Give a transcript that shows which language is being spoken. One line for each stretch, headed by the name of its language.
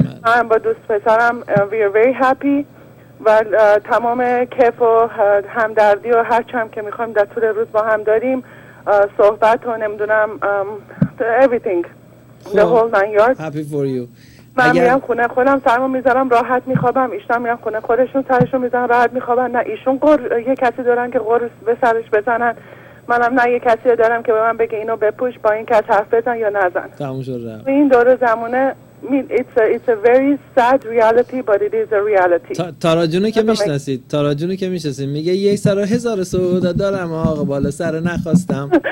Persian: من با دوست پسرم
English: we are very happy
Persian: و تمام کیف و همدردی و هرچه هم که میخوایم در طول روز با هم داریم، صحبت و نمیدونم
English: everything the whole nine yards. Happy for you.
Persian: من میرم خونه خودم سرمو میذارم راحت میخوابم، ایشون میرن خونه خودشون سرشو میذارن راحت میخوابن، نه ایشون یه کسی دارن که قر به سرش بزنن، منم نه یه کسی رو دارم که به من بگه اینو بپوش، با این کس حرف بزن یا نزن. تموم شد. این دور زمونه
English: it's a very sad reality but it is a reality.
Persian: تاراجونو که میشناسید، تاراجونو که میشناسید، میگه یک سر و هزار سودا دارم آقا بالا سر نخواستم.